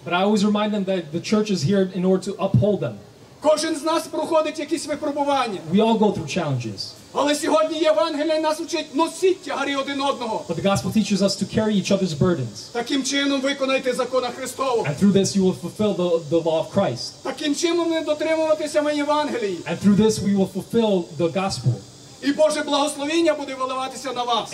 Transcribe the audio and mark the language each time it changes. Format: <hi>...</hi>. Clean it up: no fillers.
<en>But I always remind them that the church is here in order to uphold them.</en> <uk>Кожен з нас проходить якісь випробування.</uk> <en>We all go through challenges.</en> <uk>Але сьогодні Євангеліє нас учить носіть тягарі один одного.</uk> <en>But the gospel teaches us to carry each other's burdens.</en> <uk>Таким чином виконайте закона Христова.</uk> <en>And through this you will fulfill the law of Christ.</en> <uk>Таким чином ми дотримуватися ми Євангелії.</uk> <en>And through this we will fulfill the gospel.</en> <uk>І Боже благословення буде виливатися на вас.</uk>